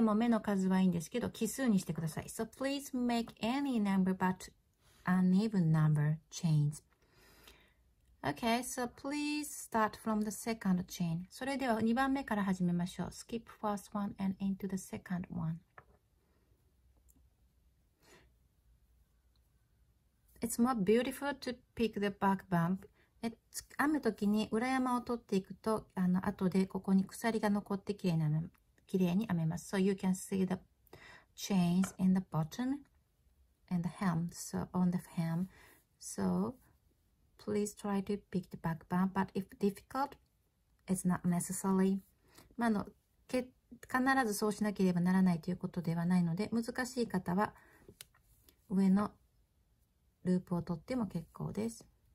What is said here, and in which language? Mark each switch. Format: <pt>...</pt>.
<ja>も目の数はいいんですけど、奇数にしてください。</ja> <en>So please make any number but an even number chains. Okay, so please start from the second chain.</en> <ja>それでは2番目から始めましょう。</ja> <en>Skip first one and into the second one. It's more beautiful to pick the back bump.</en> <ja>編むときに裏山を取っていくと、後でここに鎖が残ってきれいに編めます。</ja> <en>So you can see the chains in the bottom and the hem. So on the hem. So please try to pick the back bump. But if difficult, it's not necessary.</en> <ja>必ずそうしなければならないということではないので、難しい方は上のループを取っても結構です。</ja>